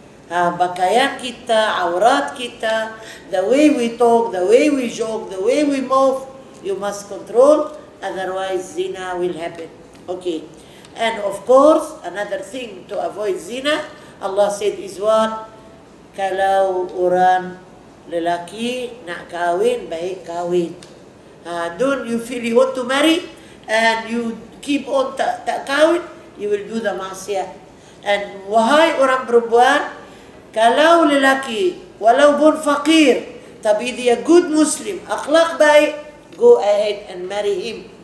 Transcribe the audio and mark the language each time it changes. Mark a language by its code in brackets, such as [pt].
[ms] Pakaian kita, aurat kita, [en] the way we talk, the way we joke, the way we move, you must control, otherwise zina will happen. Okay. And of course, another thing to avoid zina, Allah said is what? [ms] Kalau orang lelaki nak kahwin, baik kahwin. [en] Don't you feel you want to marry and you keep on [ms] tak kahwin, [en] you will do the maksiat. [ms] And wahai orang perempuan, kalau lelaki, walaupun fakir, tapi dia good Muslim, akhlak baik, [en] go ahead and marry him.